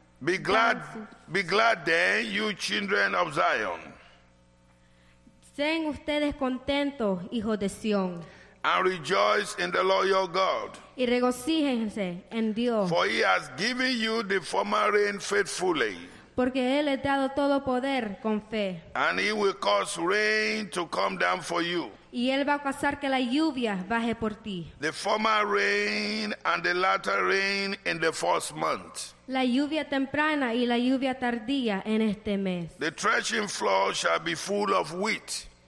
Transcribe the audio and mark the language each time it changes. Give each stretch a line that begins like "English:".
English: Be glad then, you children of Zion.
Spanish: Sean ustedes contentos, hijos de Sion.
English: And rejoice in the Lord your God.
Spanish: Y regocíjense en Dios.
English: For he has given you the former rain faithfully.
Spanish: Porque él ha dado todo poder con fe.
English: And he will cause rain to come down for you.
Spanish: Y él va a causar que la lluvia baje por ti.
English: The former rain and the latter rain in the first month.
Spanish: La lluvia temprana y la lluvia tardía en este mes.
English: The threshing floor shall be full of wheat.